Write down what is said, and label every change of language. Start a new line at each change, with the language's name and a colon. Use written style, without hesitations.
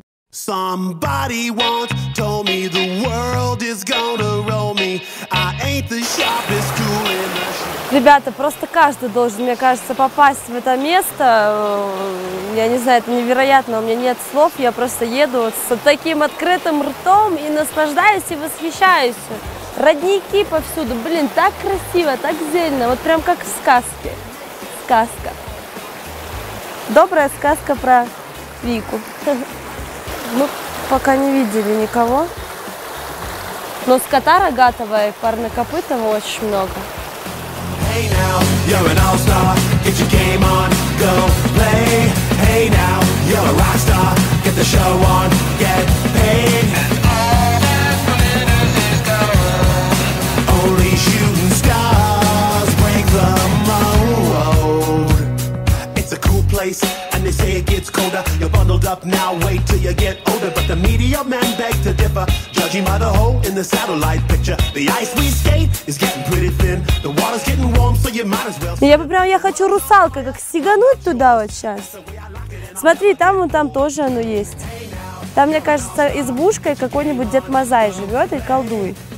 English: Somebody once told me the world is gonna roll me. I ain't the sharpest tool in the shed.
Russian: Ребята, просто каждый должен, мне кажется, попасть в это место. Я не знаю, это невероятно, у меня нет слов. Я просто еду вот с таким открытым ртом и наслаждаюсь, и восхищаюсь. Родники повсюду, блин, так красиво, так зелено. Вот прям как в сказке. Сказка. Добрая сказка про Вику. Мы пока не видели никого. Но скота рогатого и парнокопытого очень много.
English: Hey now, you're an all-star, get your game on, go play. Hey now, you're a rock star, get the show on, get paid. And all that glitters is gold. Only shooting stars break the mold. It's a cool place, and they say it gets colder. You're bundled up now, wait till you get older. But the media men beg to differ. Judging by the hole in the satellite picture, the ice we skate is getting pretty thin. The water's getting warm, so you might as well.
Russian: Я прям, я хочу русалка, как сигануть туда вот сейчас. Смотри, там вон там тоже оно есть. Там, мне кажется, избушка и какой-нибудь Дед Мазай живет и колдует.